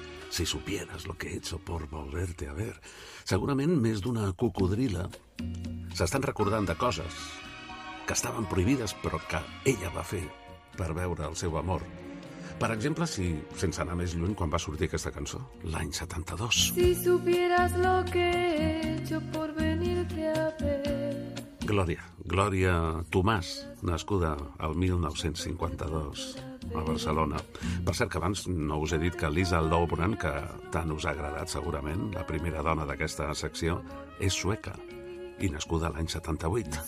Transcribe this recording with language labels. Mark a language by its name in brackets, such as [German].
[Spanish] Si supieras lo que he hecho por volverte a ver. [Catalan] Segurament més d'una cocodrila s'estan recordant de coses que estaven prohibides però que ella va fer per veure el seu amor. Per exemple, si sense anar més lluny, quan va sortir aquesta cançó? L'any 72. [Spanish] Si supieras lo que he hecho por venirte a ver. [Catalan] Glòria, Glòria Tomàs, nascuda el 1952. A Barcelona. Per cert, que abans no us he dit que Lisa Loughran, que tant us ha agradat segurament, la primera dona d'aquesta secció, és sueca i nascuda l'any 78.